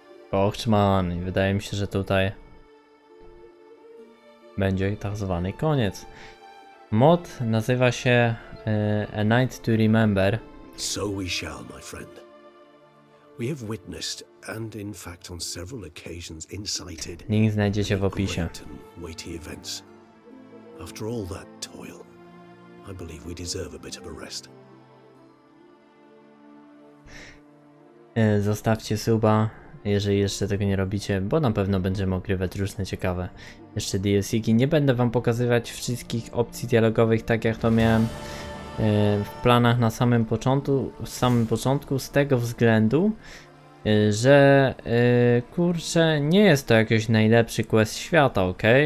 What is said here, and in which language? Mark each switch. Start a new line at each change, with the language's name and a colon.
Polish: Och, man, wydaje mi się, że tutaj. będzie tak zwany koniec. Mod nazywa się A Night to Remember.
English: So we shall, my friend. We have witnessed and in fact on several occasions incited.
Polish: Link znajdziecie w opisie.
English: Weighty events. After all that toil, I believe we deserve a bit of a rest.
Polish: Zostawcie suba, jeżeli jeszcze tego nie robicie, bo na pewno będziemy ogrywać różne ciekawe jeszcze DLC-ki. Nie będę wam pokazywać wszystkich opcji dialogowych tak jak to miałem w planach na samym początku, z tego względu, że kurczę, nie jest to jakiś najlepszy quest świata, ok?